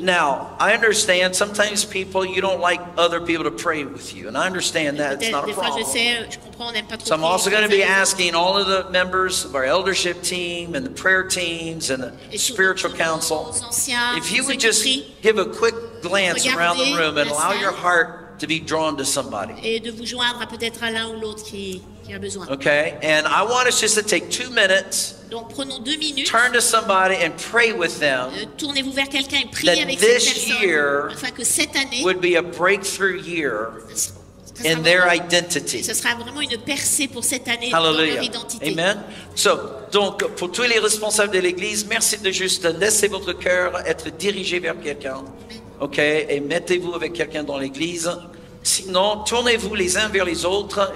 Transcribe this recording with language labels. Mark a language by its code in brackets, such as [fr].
[en] Now, I understand sometimes people, you don't like other people to pray with you. And I understand that. It's not a problem. So I'm also going to be asking all of the members of our eldership team and the prayer teams and the spiritual council. If you would just give a quick glance around the room and allow your heart to be drawn to somebody. [fr] Et de vous joindre à peut-être à l'un ou l'autre qui a besoin. [en] Okay, and I want us just to take 2 minutes. [fr] Donc prenons 2 minutes. [en] Turn to somebody and pray with them. [fr] Tournez-vous vers quelqu'un et priez [en] that [fr] avec cette [en] this [fr] personne. [en] Year [fr] enfin, que cette année [en] would be a breakthrough year in their identity. [fr] Ce sera vraiment une percée pour cette année. Hallelujah. Dans leur identité. Amen. So, donc pour tous les responsables de l'Église, merci de juste laisser votre cœur être dirigé vers quelqu'un. OK, et mettez-vous avec quelqu'un dans l'église. Sinon, tournez-vous les uns vers les autres.